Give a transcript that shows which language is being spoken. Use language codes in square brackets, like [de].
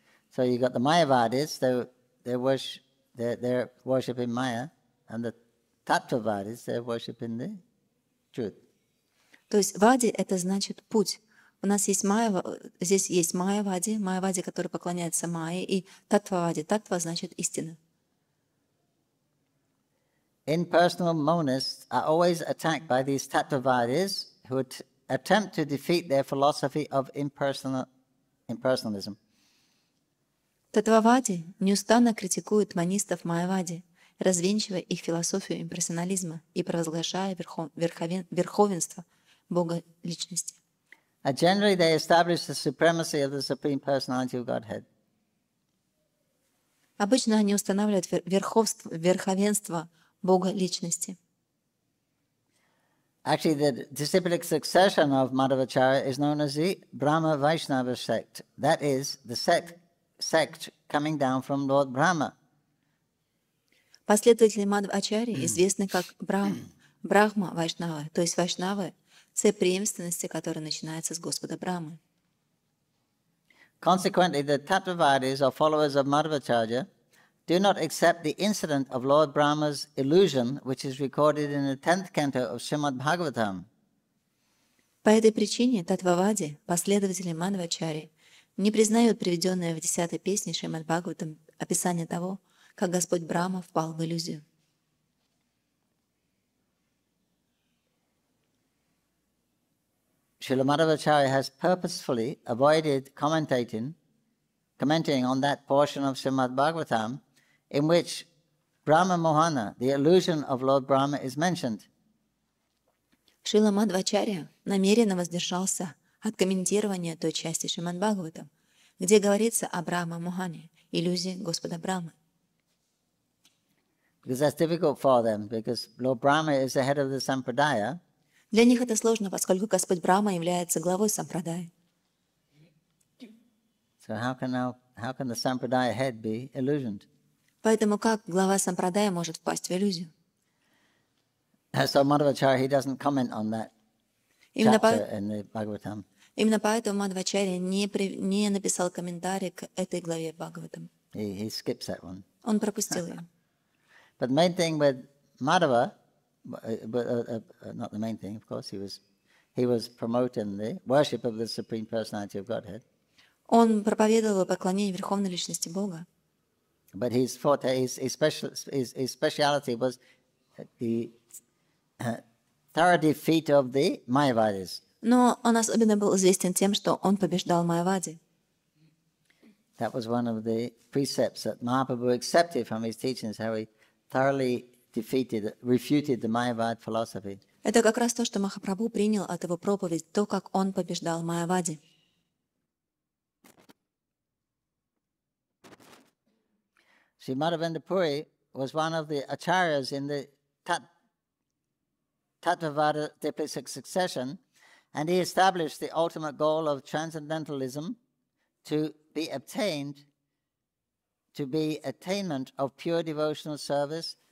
[en] So you got the Mayavadis, they're worshiping Maya, and the Tattvavadis, they're worshiping the truth. [ru] То есть Vadi это значит путь. У нас есть Майя, здесь есть Майявади, Майявади, который поклоняется Майе, и Таттвавади. Таттва значит истина. [en] In personal monists are always attacked by these Tattvavadis who attempt to defeat their philosophy of impersonalism. [ru] Таттвавади неустанно критикуют монистов Майявади, развенчивая их философию имперсонализма и провозглашая верховенство Бога личности. [en] Generally, they establish the supremacy of the Supreme Personality of Godhead. [ru] Обычно они устанавливают верховенство Бога личности. [en] Actually, the disciplic succession of Madhvacharya is known as the Brahma Vaishnava sect. That is the sect coming down from Lord Brahma. [ru] Последователи Мадхвачарьи известны как Брахма Вайшнава, то есть Вайшнавы. Цепь преемственности, которая начинается с Господа Брамы. [en] Consequently, the Tattvavadis or followers of Madhvacharya do not accept the incident of Lord Brahma's illusion, which is recorded in the 10th canto of Srimad Bhagavatam. [ru] По этой причине Таттвавади, последователи Мадхвачарьи, не признают приведенное в 10-й песне Шримад Бхагаватам описание того, как Господь Брама впал в иллюзию. [en] Śrīla Madhvacārya has purposefully avoided commenting on that portion of Śrīmad Bhāgavatam in which Brahma Mohana, the illusion of Lord Brahma, is mentioned. [ru] Śrīla Madhvacārya намеренно воздержался от комментирования той части Śrīmad Bhāgavatam, где говорится о Брахма Мохане, иллюзии Господа Брамы. [en] Because that's difficult for them, because Lord Brahma is the head of the Sampradaya. [ru] Для них это сложно, поскольку Господь Брама является главой сампрадаи. [en] So how can the sampradaya head be illusioned? [ru] Поэтому как глава сампрадаи может впасть в иллюзию? [en] So Madhvacharya, he doesn't comment on that chapter in the Bhagavatam. [ru] Именно поэтому Мадхвачарья не написал комментарий к этой главе Бхагаватам. [en] He skips that one. [ru] Он пропустил ее. [en] But the main thing with Madhava. Not the main thing, of course. He was promoting the worship of the Supreme Personality of Godhead. [ru] Он проповедовал поклонение верховной личности Бога. [en] But his forte, his speciality was the thorough defeat of the Mayavadis. [ru] Но он особенно был известен тем, что он побеждал Майявади. [en] That was one of the precepts that Mahaprabhu accepted from his teachings, how he thoroughly refuted the Mayavad philosophy. [ru] Это как раз то, что Махапрабху принял от его проповедь, то, как он побеждал Майявади. [en] Sri Madhavendra Puri was one of the acharyas in the Tattvavada disciplic succession, and he established the ultimate goal of transcendentalism to be attainment of pure devotional service.